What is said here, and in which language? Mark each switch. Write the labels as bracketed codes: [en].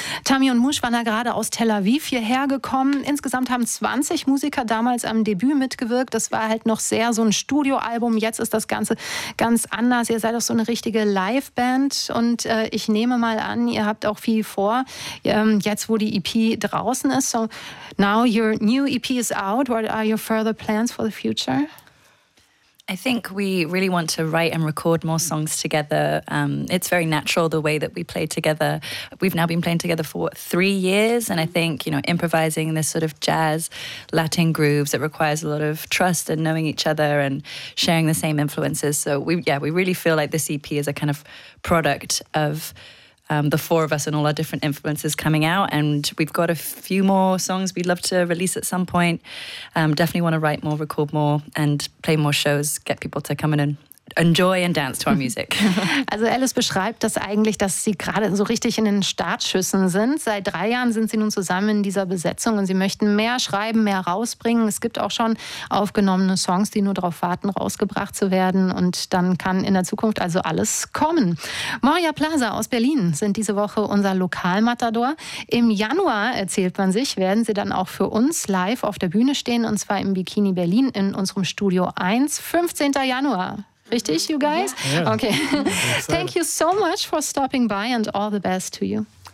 [de] Tammy und Mouche waren da gerade aus Tel Aviv hierher gekommen. Insgesamt haben 20 Musiker damals am Debüt mitgewirkt. Das war halt noch sehr so ein Studioalbum. Jetzt ist das Ganze ganz anders. Ihr seid auch so eine richtige Liveband. Und ich nehme mal an, ihr habt auch viel vor, jetzt wo die EP draußen ist. [en] So now your new EP is out. What are your further plans for the future? I think we really want to write and record more songs together. It's very natural the way that we play together. We've now been playing together for 3 years, and I think, you know, improvising this sort of jazz Latin grooves, it requires a lot of trust and knowing each other and sharing the same influences. So we really feel like this EP is a kind of product of the four of us and all our different influences coming out, and we've got a few more songs we'd love to release at some point. Definitely want to write more, record more and play more shows, get people to come in and enjoy and dance to our music. [de] Also Alice beschreibt das eigentlich, dass sie gerade so richtig in den Startschüssen sind. Seit 3 Jahren sind sie nun zusammen in dieser Besetzung und sie möchten mehr schreiben, mehr rausbringen. Es gibt auch schon aufgenommene Songs, die nur darauf warten, rausgebracht zu werden. Und dann kann in der Zukunft also alles kommen. Moria Plaza aus Berlin sind diese Woche unser Lokalmatador. Im Januar, erzählt man sich, werden sie dann auch für uns live auf der Bühne stehen, und zwar im Bikini Berlin in unserem Studio 1, 15. Januar. Richtig, [en] you guys? Yeah. Okay. Thank you so much for stopping by, and all the best to you.